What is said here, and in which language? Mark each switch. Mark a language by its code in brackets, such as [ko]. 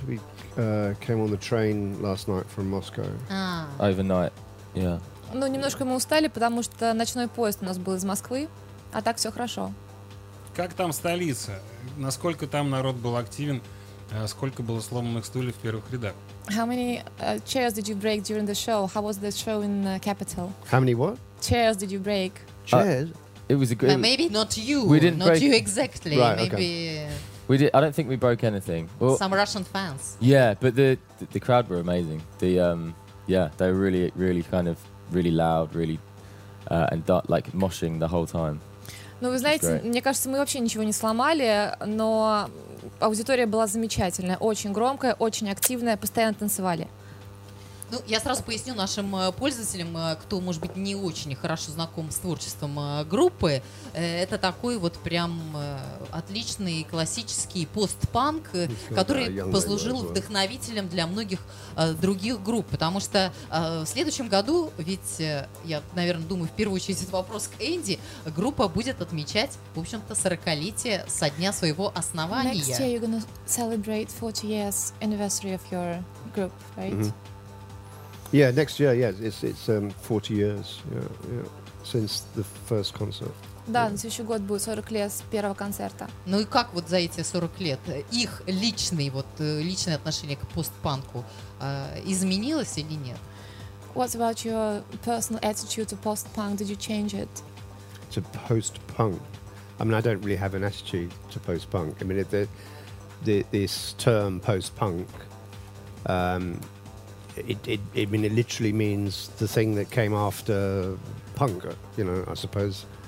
[en] We came on the train last night from Moscow. Ah. Overnight. Yeah. [ru] Ну, немножко мы устали, потому что ночной поезд у нас был из Москвы, а так все хорошо. Как там столица? Насколько там народ был активен? Сколько было сломанных стульев в первых рядах? [en] How many chairs did you break during the show? How was the show in the capital? How many what? Chairs did you break? Chairs? It was a great... Maybe not you. We didn't not break... you exactly. Right, maybe... Okay. We did. I don't think we broke anything. Well, some Russian fans. Yeah, but the crowd were amazing. The... Yeah, they were really, really kind of really loud, really and like moshing the whole time. [ru] Ну, вы знаете, мне кажется, мы вообще ничего не сломали, но аудитория была замечательная, очень громкая, очень активная, постоянно танцевали. Ну, я сразу поясню нашим пользователям, кто, может быть, не очень хорошо знаком с творчеством группы. Это такой вот прям отличный классический постпанк, который послужил вдохновителем для многих других групп. Потому что в следующем году, ведь я, наверное, думаю, в первую очередь этот вопрос к Энди, группа будет отмечать, в общем-то, 40-летие со дня своего основания. [en] Next year you're gonna celebrate 40 years anniversary of your group, right? Mm-hmm. Yeah, next year, yeah, it's 40 years, yeah, since the first concert. [ru] Да, на следующий год будет 40 лет с первого концерта. Ну и как вот за эти 40 лет их личный вот личное отношение к постпанку изменилось или нет? [en] What about your personal attitude to post-punk? Did you change it? To post-punk? I mean, I don't really have an attitude to post-punk. I mean, this term post-punk. It literally means the thing that came after punk, you know, I suppose.